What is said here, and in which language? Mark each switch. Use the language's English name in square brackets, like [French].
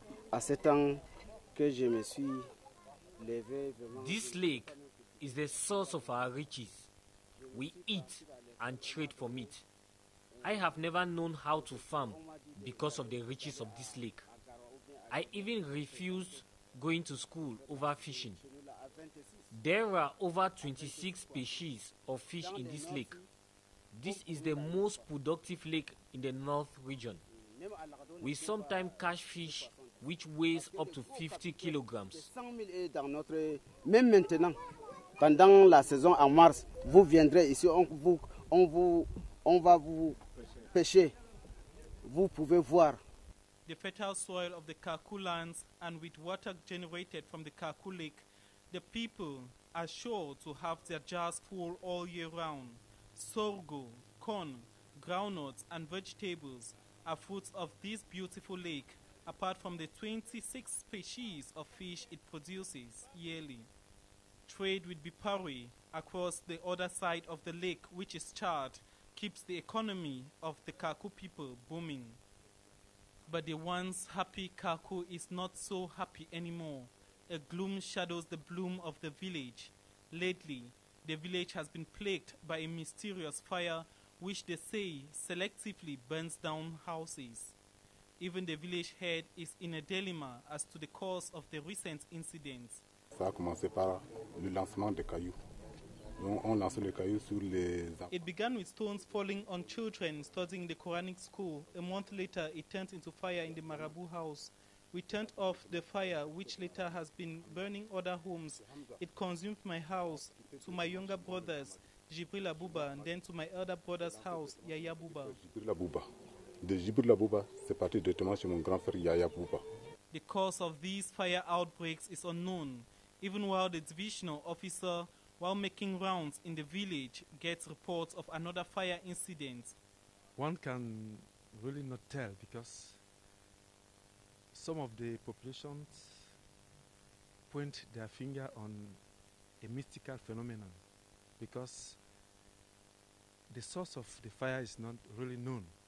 [French] À ce temps que je me suis levé, vraiment. [English] This lake is the source of our riches. We eat and trade for meat. I have never known how to farm because of the riches of this lake. I even refused going to school over fishing. There are over 26 species of fish in this lake. This is the most productive lake in the north region. We sometimes catch fish which weighs up to 50 kilograms. [French] Même maintenant, pendant la saison en mars, vous viendrez ici, on va vous pêcher. Vous pouvez voir. [English] The fertile soil of the Kaku lands, and with water generated from the Kaku lake, the people are sure to have their jars full all year round. Sorghum, corn, groundnuts, and vegetables are fruits of this beautiful lake, apart from the 26 species of fish it produces yearly. trade with Bipari across the other side of the lake, which is Chad, keeps the economy of the Kaku people booming. But the once happy Kaku is not so happy anymore. A gloom shadows the bloom of the village. Lately, the village has been plagued by a mysterious fire which they say selectively burns down houses. Even the village head is in a dilemma as to the cause of the recent incidents. [French] Ça a commencé par le lancement des cailloux. On lançait les cailloux sur les... [English] It began with stones falling on children studying the Quranic school. A month later, it turned into fire in the Marabout house. We turned off the fire, which later has been burning other homes. It consumed my house, to my younger brothers, Jibril Abouba, and then to my elder brother's house, Yaya Abouba. [French] De Jibril Abouba, c'est parti directement chez mon grand frère Yaya Abouba. [English] The cause of these fire outbreaks is unknown. Even while the divisional officer, while making rounds in the village, gets reports of another fire incident. One can really not tell because some of the populations point their finger on a mystical phenomenon because the source of the fire is not really known.